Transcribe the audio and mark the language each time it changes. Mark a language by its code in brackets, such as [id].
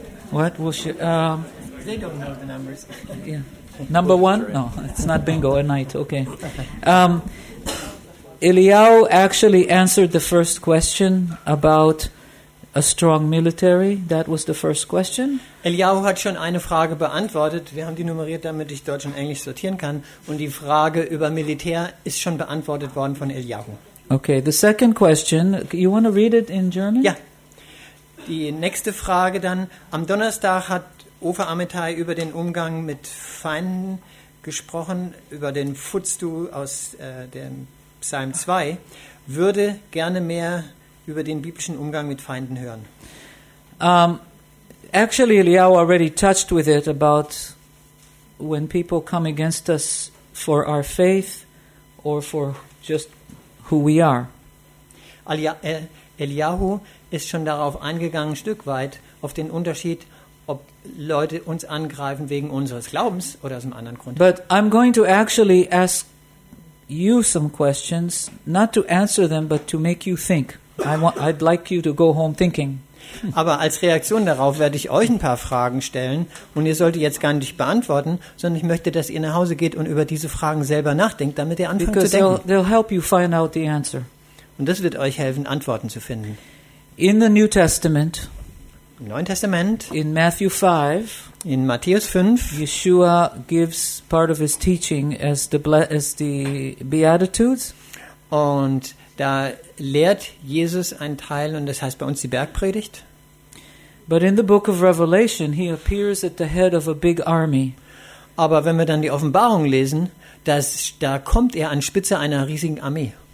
[en] What? Well, they don't know the numbers. Yeah. Number one? No, it's not bingo at night. Okay. Eliyahu actually answered the first question about a strong military. That was the first question. [de] Eliyahu hat schon eine Frage beantwortet. Wir haben die nummeriert, damit ich Deutsch und Englisch sortieren kann. Und die Frage über Militär ist schon beantwortet worden von Eliyahu. [en] Okay, the second question. You want to read it in German? [de] Ja. Die nächste Frage dann. Am Donnerstag hat Ofer Ametei über den Umgang mit Feinden gesprochen, über den Futsdu aus dem Psalm 2. Würde gerne mehr über den biblischen Umgang mit Feinden hören. [en] Actually, Eliyahu already touched with it about when people come against us for our faith or for just who we are. [de] Eliyahu ist schon darauf eingegangen, ein Stück weit, auf den Unterschied, ob Leute uns angreifen wegen unseres Glaubens oder aus einem anderen Grund. [en] But I'm going to actually ask you some questions, not to answer them, but to make you think. I'd like you to go home thinking. [de] Aber als Reaktion darauf werde ich euch ein paar Fragen stellen und ihr solltet jetzt gar nicht beantworten, sondern ich möchte, dass ihr nach Hause geht und über diese Fragen selber nachdenkt, damit ihr anfängt [en] Because [de] zu denken. [en] They'll help you find out the answer. [de] Und das wird euch helfen, Antworten zu finden. [en] In the New Testament, [de] im Neuen Testament, [en] in Matthew 5, [de] in Matthäus 5, [en] Yeshua gives part of his teaching as the Beatitudes. [de] Und da lehrt Jesus einen Teil, und das heißt bei uns die Bergpredigt. [en] But in the book of Revelation, he appears at the head of a big army. [de] Aber wenn wir dann die Offenbarung lesen, da kommt er an Spitze einer riesigen Armee.